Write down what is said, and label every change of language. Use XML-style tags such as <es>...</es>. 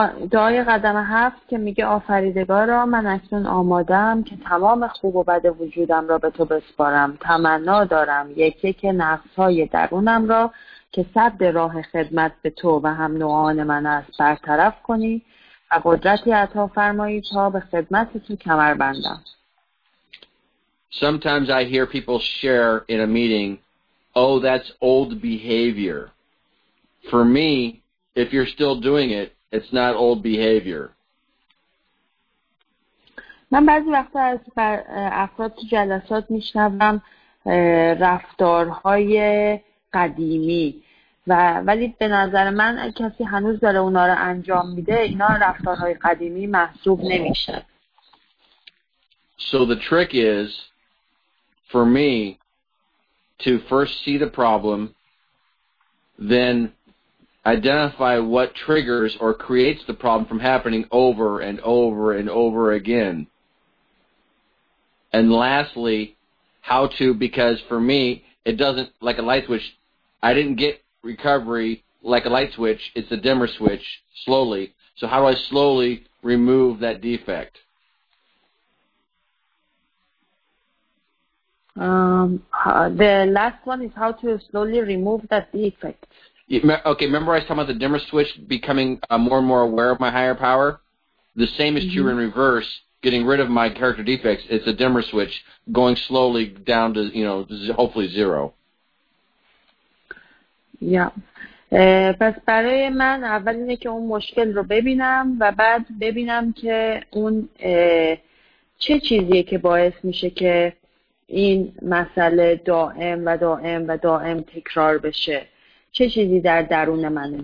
<fa>دعای قدم هفت که میگه آفریدگارا من اکنون آمادم که تمام خوب و بد وجودم را به تو بسپارم. تمنا دارم یکی که نقصهای درونم را که سد راه خدمت به تو و هم نوعان من است برطرف کنی و قدرتی عطا فرمایی تا به خدمت تو کمر بندم.</fa> <en>Sometimes I hear people share in a meeting, oh, that's old behavior. For me, if you're still doing it, it's not old behavior.</en> <fa>من بعضی وقتا از افراد تو جلسات میشنوم رفتارهای قدیمی و ولی به نظر من کسی هنوز داره اونا رو انجام میده، اینا رفتارهای قدیمی محسوب نمیشن.</fa> <en>So the trick is for me to first see the problem, then identify what triggers or creates the problem from happening over and over and over again. And lastly, how to, because for me, it doesn't, like a light switch, I didn't get recovery like a light switch, it's a dimmer switch, slowly. So how do I slowly remove that defect? The last one is how to slowly remove that defect. Okay, remember I was talking about the dimmer switch becoming more and more aware of my higher power? The same is mm-hmm. true in reverse, getting rid of my character defects. It's a dimmer switch going slowly down to, you know, hopefully zero. Yeah.</en> <fa>پس برای من اول اینه که اون مشکل رو ببینم و بعد ببینم که اون چه چیزیه که باعث میشه که این مسئله دائم و دائم و دائم تکرار بشه، چه چیزی در درون منه.</fa>